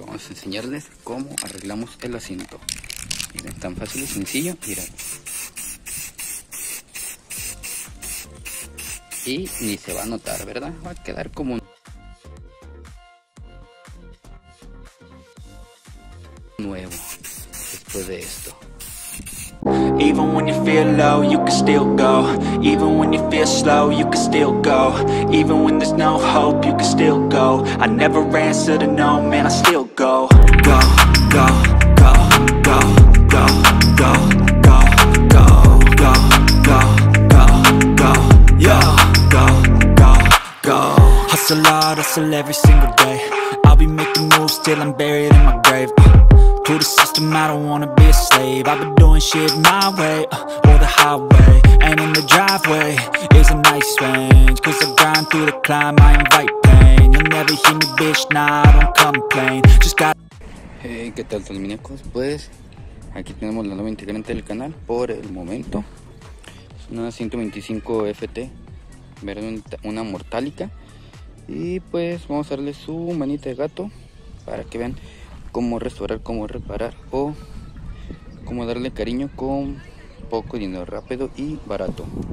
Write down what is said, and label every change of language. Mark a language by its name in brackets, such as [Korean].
[Spanish] enseñarles cómo arreglamos el asiento. Miren, tan fácil y sencillo, miren. Y ni se va a notar, ¿verdad? Va a quedar como un nuevo después de esto. [English] Even when you feel low, you can still go. Even when you feel slow, you can still go. Even when there's no hope, you can still go. I never answer to no, man, I still go. Go, go, go, go, go, go, go, go, go, go, go, go, yo, go, go, go. Hustle hard, hustle every single day. I'll be making moves till I'm buried in my grave. To the system, I don't wanna be a slave. I've been doing shit my way, or the highway. And in the driveway is a nice range. Cause I grind through the climb, I invite pain. You'll never hear me, bitch, nah, I don't complain. Just got. Hey, [Spanish] ¿qué tal, [English] Talminecos? [Spanish] Pues aquí tenemos la nueva integrante del canal por el momento. Es una 125 FT, una mortálica. Y pues vamos a darle su manita de gato para que vean cómo restaurar, cómo reparar o cómo darle cariño con poco dinero, rápido y barato.